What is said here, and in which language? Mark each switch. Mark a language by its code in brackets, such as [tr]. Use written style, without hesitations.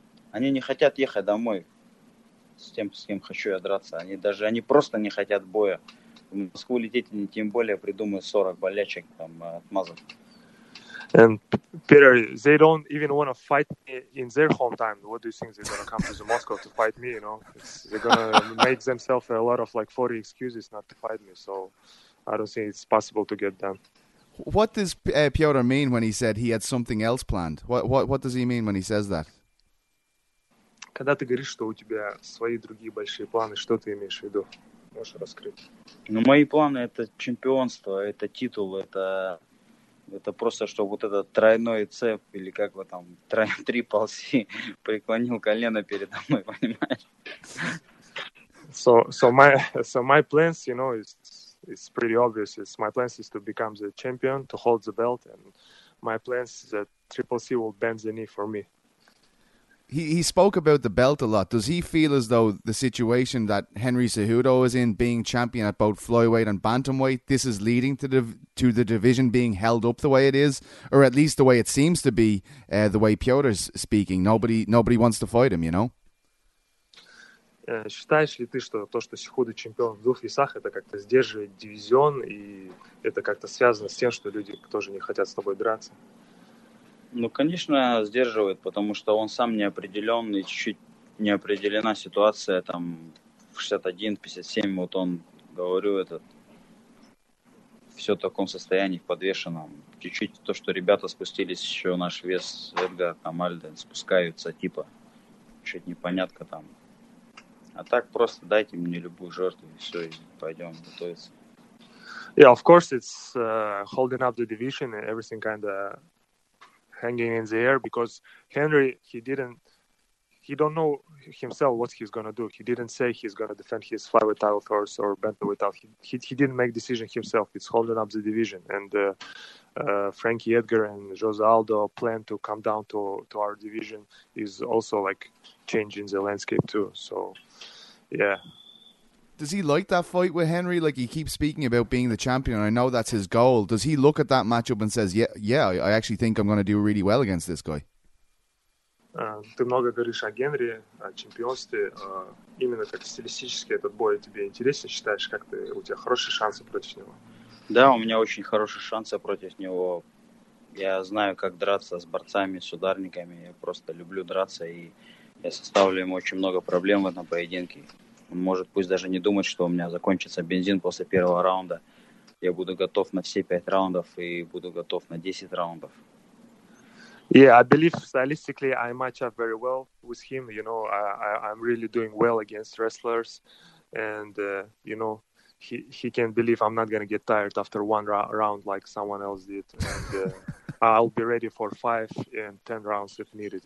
[ru] Они не хотят ехать домой с тем, с кем хочу я драться. Они просто не хотят боя. В Москву лететь они тем более придумают 40 болячек там отмазок. [en] And Peter, they don't even want to fight me in their hometown. What do you think they're gonna come to the Moscow to fight me? You know, they're gonna make themselves a lot of like 40 excuses not to fight me. So I don't think it's possible to get done. What does Piotr mean when he said he had something else planned? What does he mean when he says that? [ru] Когда ты говоришь, что у тебя свои другие большие планы, что ты имеешь в виду? Можешь раскрыть? Ну, мои планы – это чемпионство, это титул, это просто, чтобы вот этот тройной цепь, или как бы там, трипл си, преклонил колено передо мной, понимаешь? [en] So my plans, you know, it's pretty obvious. My plans is to become the champion, to hold the belt, and my plans is that triple C will bend the knee for me. He spoke about the belt a lot. Does he feel as though the situation that Henry Cejudo is in, being champion at both flyweight and bantamweight, this is leading to the division being held up the way it is, or at least the way it seems to be, the way Piotr's speaking? Nobody wants to fight him, you know? [ru] Считаешь ли ты, что то, что Сехуду чемпион в двух весах, это как-то сдерживает дивизион, и это как-то связано с тем, что люди тоже не хотят с тобой драться? Ну, конечно, сдерживает, потому что он сам неопределен, и чуть-чуть неопределена ситуация, там, в 61-57, вот он, говорю, этот, все в таком состоянии, в подвешенном. Чуть-чуть то, что ребята спустились, еще наш вес, Эдгар, там, Альден, спускаются, типа, чуть непонятно там. А так просто дайте мне любую жертву, и все, и пойдем готовиться. [en] Yeah, of course, it's holding up the division and everything kind of hanging in the air, because Henry, he don't know himself what he's going to do. He didn't say he's going to defend his flyweight title first or bantamweight title. He didn't make decision himself. It's holding up the division. And Frankie Edgar and Jose Aldo plan to come down to our division is also like changing the landscape too. So, yeah. Does he like that fight with Henry? Like, he keeps speaking about being the champion. I know that's his goal. Does he look at that matchup and says, yeah, I actually think I'm going to do really well against this guy? [ru] Ты много говоришь о Генри, о чемпионстве. Именно как стилистически этот бой тебе интересен, считаешь, как ты, у тебя хорошие шансы против него? Да, у меня очень хорошие шансы против него. Я знаю, как драться с борцами, с ударниками. Я просто люблю драться, и я составлю ему очень много проблем в этом поединке. Он может пусть даже не думать, что у меня закончится бензин после первого раунда. Я буду готов на все 5 раундов и буду готов на 10 раундов. [en] Yeah, I believe stylistically I match up very well with him. You know, I'm really doing well against wrestlers, and you know, he can believe I'm not gonna get tired after one round like someone else did, and I'll be ready for 5 and 10 rounds if needed.